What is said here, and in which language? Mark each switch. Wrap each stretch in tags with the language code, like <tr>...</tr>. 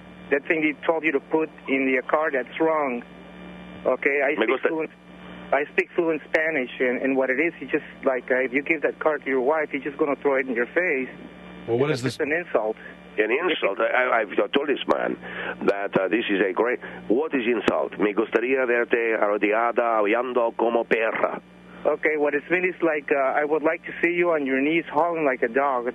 <en>that thing he told you to put in the card, that's wrong. Okay? I speak fluent Spanish, and what it is, he just, like, if you give that card to your wife, he's just going to throw it in your face. Well, what is this? It's an insult. An insult? I've told this man that this is a great... What is insult?</en> <es>Me gustaría verte arrodillada hablando como perra.</es> <en>Okay, what it means is like, I would like to see you on your knees howling like a dog.</en>